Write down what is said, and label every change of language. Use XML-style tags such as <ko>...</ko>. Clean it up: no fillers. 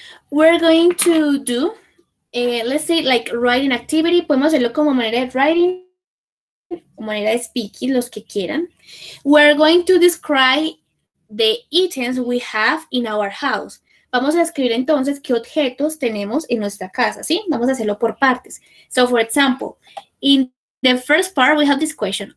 <en>We're going to do, let's say, like, writing activity.</en> <es>Podemos hacerlo como manera de writing, manera de speaking, los que quieran.</es> <en>We're going to describe the items we have in our house.</en> <es>Vamos a escribir entonces qué objetos tenemos en nuestra casa, ¿sí? Vamos a hacerlo por partes.</es> <en>So, for example, in the first part, we have this question.</en>